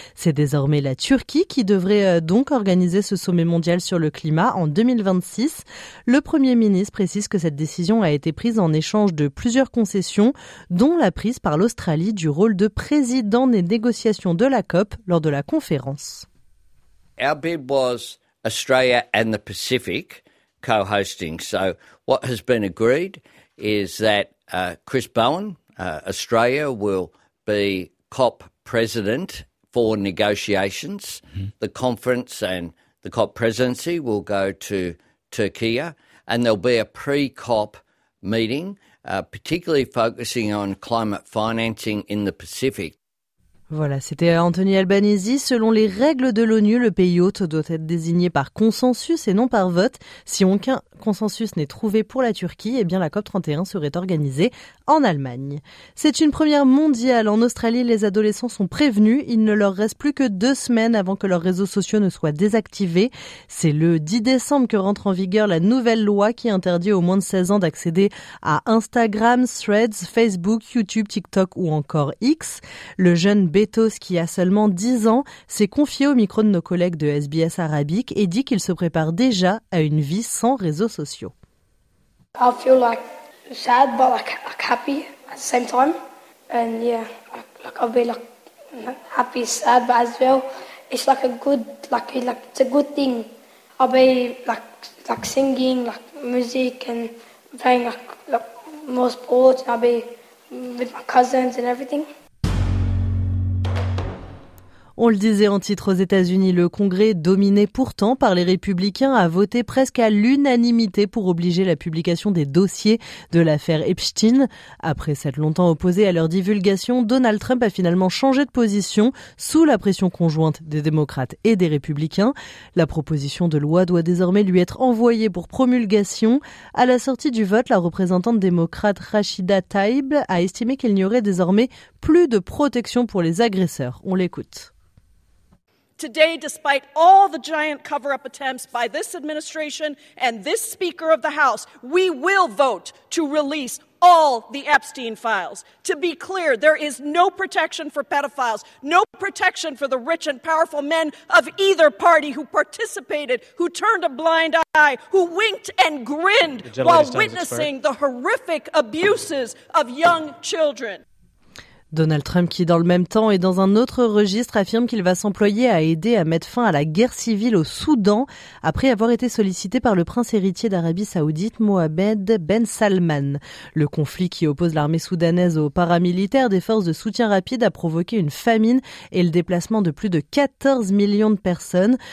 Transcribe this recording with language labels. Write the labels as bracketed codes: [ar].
[fr] C'est désormais la Turquie qui devrait donc organiser ce sommet mondial sur le climat en 2026. Le Premier ministre précise que cette décision a été prise en échange de plusieurs concessions, dont la prise par l'Australie du rôle de président des négociations de la COP lors de la conférence. [en] Our bid was Australia and the Pacific co-hosting. So what has been agreed is that Chris Bowen, Australia, will be COP president for negotiations. Mm-hmm. The conference and the COP presidency will go to Turkey, and there'll be a pre-COP meeting, particularly focusing on climate financing in the Pacific. [fr] Voilà, c'était Anthony Albanese. Selon les règles de l'ONU, le pays hôte doit être désigné par consensus et non par vote. Si aucun consensus n'est trouvé pour la Turquie, eh bien la COP31 serait organisée en Allemagne. C'est une première mondiale. En Australie, les adolescents sont prévenus. Il ne leur reste plus que 2 semaines avant que leurs réseaux sociaux ne soient désactivés. C'est le 10 décembre que rentre en vigueur la nouvelle loi qui interdit aux moins de 16 ans d'accéder à Instagram, Threads, Facebook, YouTube, TikTok ou encore X. Le jeune Betos, qui a seulement 10 ans, s'est confié au micro de nos collègues de SBS Arabique et dit qu'il se prépare déjà à une vie sans réseaux sociaux. [en] I feel like sad but like happy at the same time. And yeah, like I'll be like happy, sad but as well. It's like a good, like it's a good thing. I'll be like singing, like music and playing like more sports. I'll be with my cousins and everything. [fr] On le disait en titre, aux États-Unis, le Congrès, dominé pourtant par les Républicains, a voté presque à l'unanimité pour obliger la publication des dossiers de l'affaire Epstein. Après s'être longtemps opposé à leur divulgation, Donald Trump a finalement changé de position sous la pression conjointe des démocrates et des républicains. La proposition de loi doit désormais lui être envoyée pour promulgation. À la sortie du vote, la représentante démocrate Rashida Tlaib a estimé qu'il n'y aurait désormais plus de protection pour les agresseurs. On l'écoute. [en] Today, despite all the giant cover-up attempts by this administration and this Speaker of the House, we will vote to release all the Epstein files. To be clear, there is no protection for pedophiles, no protection for the rich and powerful men of either party who participated, who turned a blind eye, who winked and grinned while witnessing the horrific abuses of young children. [fr] Donald Trump, qui dans le même temps et dans un autre registre, affirme qu'il va s'employer à aider à mettre fin à la guerre civile au Soudan après avoir été sollicité par le prince héritier d'Arabie Saoudite, Mohamed Ben Salman. Le conflit qui oppose l'armée soudanaise aux paramilitaires des forces de soutien rapide a provoqué une famine et le déplacement de plus de 14 millions de personnes.